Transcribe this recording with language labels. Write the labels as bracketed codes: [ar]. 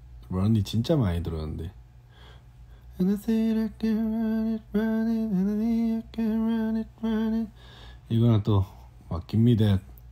[ko] 런이 진짜 많이 들었는데. [en] And I said I can run it, run it, and I need I can run it, run it. [ko] 이거는 또 막 [en] Give me that.